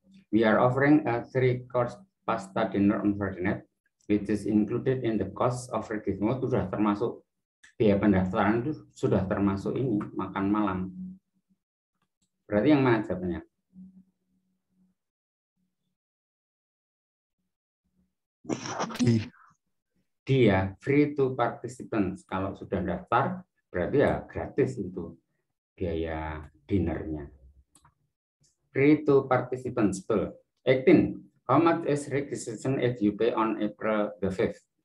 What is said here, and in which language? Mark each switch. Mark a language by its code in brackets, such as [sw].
[en] We are offering a three-course pasta dinner on Friday night, which is included in the cost of registration. [id] Itu sudah termasuk biaya pendaftaran, itu sudah termasuk ini, makan malam. Berarti yang mana jawabannya? Dia [en] free to participants. [id] Kalau sudah daftar, berarti ya gratis itu biaya dinernya. [en] Free to participants. 18. How much is registration if you pay on April the 5th?